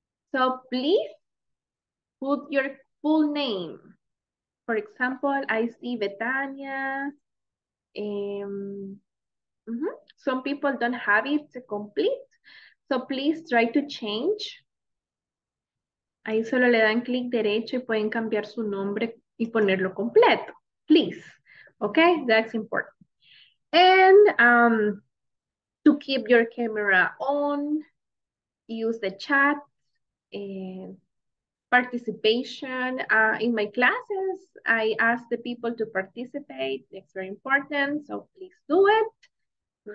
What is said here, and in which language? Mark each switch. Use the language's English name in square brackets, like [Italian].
[English] So please put your full name. For example, I see Bethania. Some people don't have it to complete, so please try to change. [Spanish] Ahí solo le dan clic derecho y pueden cambiar su nombre y ponerlo completo. [English] Please, okay, that's important. And to keep your camera on, use the chat and participation in my classes. I ask the people to participate. It's very important, so please do it.